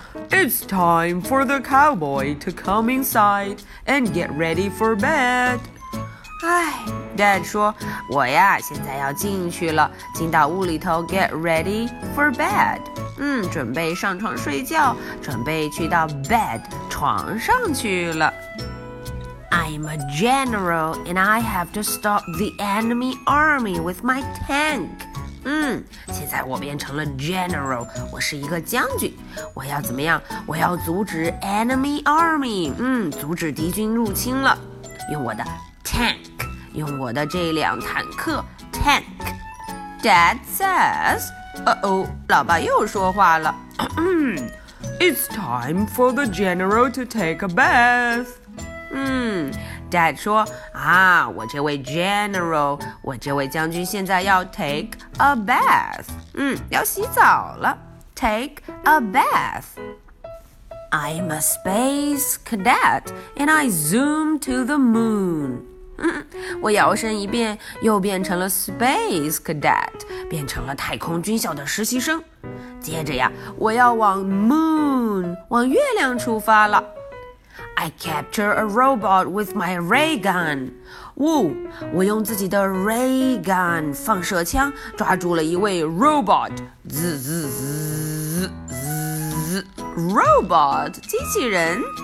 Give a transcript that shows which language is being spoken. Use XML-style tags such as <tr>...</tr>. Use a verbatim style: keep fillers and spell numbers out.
<en>It's time for the cowboy to come inside and get ready for bed.</en> <zh>哎 Dad 说，我呀，现在要进去了，进到屋里头</zh> <en>get ready for bed.</en> <zh>嗯，准备上床睡觉，准备去到 bed 床上去了。</zh> <en>I'm a general and I have to stop the enemy army with my tank.</en> <zh>嗯，现在我变成了 general， 我是一个将军。我要怎么样？我要阻止</zh> <en>enemy army，</en> <zh>嗯，阻止敌军入侵了。用我的 tank， 用我的这辆坦克 tank。</zh> <en>Dad says，</en> <zh>哦哦，老爸又说话了。</zh> <en>It's time for the general to take a bath.</en> <zh>嗯 Dad 说啊，我这位 General， 我这位将军现在要</zh> <en>take a bath，</en> <zh>嗯，要洗澡了 take a bath.</zh> <en>I'm a space cadet and I zoom to the moon.</en> <zh>嗯，我摇身一变又变成了 space cadet， 变成了太空军校的实习生。接着呀，我要往 moon， 往月亮出发了。</zh> <en>I capture a robot with my ray gun.</en> <zh>哦，我用自己的 ray gun 放射枪抓住了一位 robot. 滋滋滋滋 robot 机器人。</zh>